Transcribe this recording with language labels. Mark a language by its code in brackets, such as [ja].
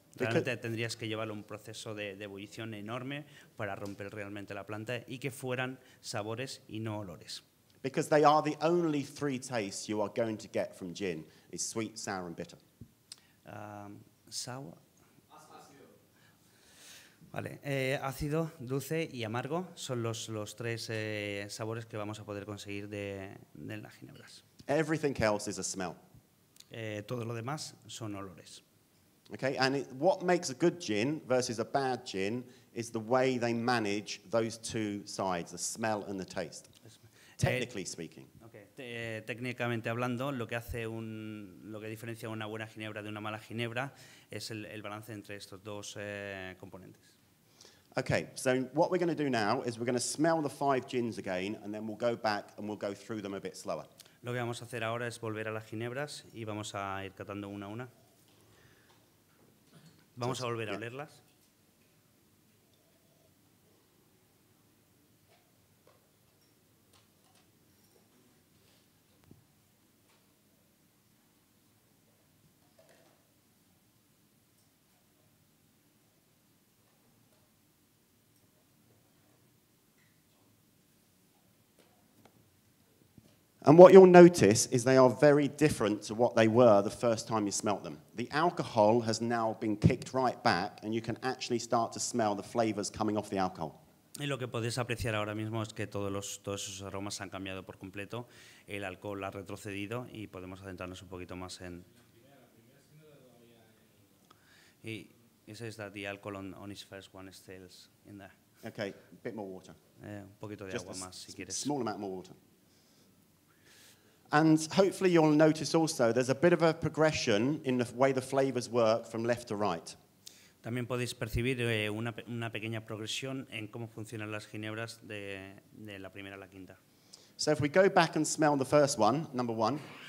[es] Realmente tendrías que llevarlo a un proceso de ebullición enorme para romper realmente la planta y que fueran sabores y no olores. [en] Because they are the only three tastes you are going to get from gin. It's sweet, sour and bitter. Sour. [es] Vale. Ácido, dulce y amargo son los tres sabores que vamos a poder conseguir de las ginebras. [en] Everything else is a smell. [es] Todo lo demás son olores. [en] Okay, and what makes a good gin versus a bad gin is the way they manage those two sides, the smell and the taste, technically speaking. [es] Okay, técnicamente hablando, lo que diferencia una buena ginebra de una mala ginebra es el balance entre estos dos componentes. [en] Okay, so what we're going to do now is we're going to smell the five gins again, and then we'll go back and we'll go through them a bit slower. [es] Lo que vamos a hacer ahora es volver a las ginebras y vamos a ir catando una a una. Vamos a volver a olerlas. [en] And what you'll notice is they are very different to what they were the first time you smelt them. The alcohol has now been kicked right back and you can actually start to smell the flavors coming off the alcohol. [es] Y lo que podéis apreciar ahora mismo es que todos esos aromas han cambiado por completo. El alcohol ha retrocedido y podemos adentrarnos un poquito más en... [en] He says that the alcohol on his first one stays in there. Okay, a bit more water. [es] Un poquito de agua más, si quieres. [en] Small amount more water. And hopefully you'll notice also there's a bit of a progression in the way the flavors work from left to right. [es] También podéis percibir una pequeña progresión en cómo funcionan las ginebras de la primera a la quinta. [en] So if we go back and smell the first one, number one.